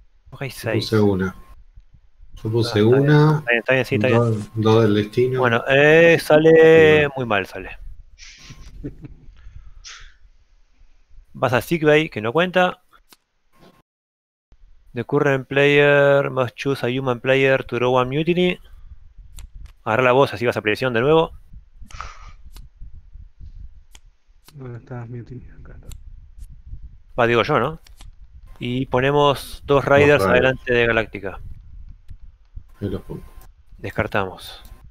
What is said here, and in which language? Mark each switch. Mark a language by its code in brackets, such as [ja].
[es] Ok, 6. Puse una. Yo puse una. Está bien, sí, está dos, bien. Dos del destino. Bueno, sale muy mal, sale. Vas a Sigbay, que no cuenta. [en] The current player must choose a human player to draw a mutiny. [es] Agarra la voz, así vas a presión de nuevo. ¿Dónde está mutiny? Va, digo yo, ¿no? Y ponemos dos riders adelante de Galáctica. Descartamos.